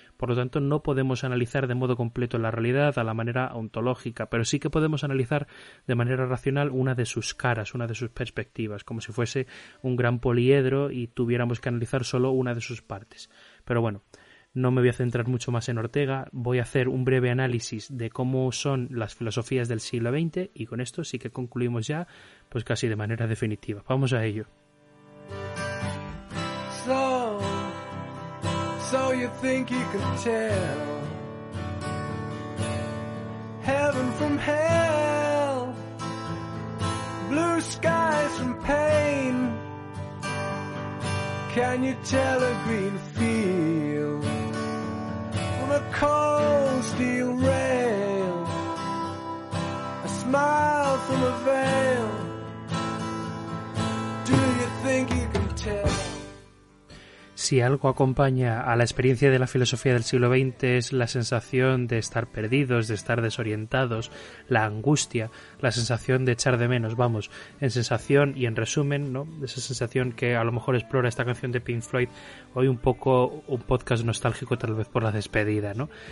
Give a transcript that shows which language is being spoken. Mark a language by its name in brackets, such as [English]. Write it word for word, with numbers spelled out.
[Spanish] Por lo tanto, no podemos analizar de modo completo la realidad a la manera ontológica, pero sí que podemos analizar de manera racional una de sus caras, una de sus perspectivas, como si fuese un gran poliedro y tuviéramos que analizar solo una de sus partes. Pero bueno, no me voy a centrar mucho más en Ortega, voy a hacer un breve análisis de cómo son las filosofías del siglo veinte y con esto sí que concluimos ya, pues casi de manera definitiva. Vamos a ello. [English] So, so you think you could tell heaven from hell, blue skies from pain. Can you tell a green field from a cold steel rail? A smile from a veil. Do you think you can tell? [Spanish] Si algo acompaña a la experiencia de la filosofía del siglo veinte es la sensación de estar perdidos, de estar desorientados, la angustia, la sensación de echar de menos, vamos, en sensación y en resumen, ¿no? Esa sensación que a lo mejor explora esta canción de Pink Floyd, hoy un poco un podcast nostálgico tal vez por la despedida, ¿no?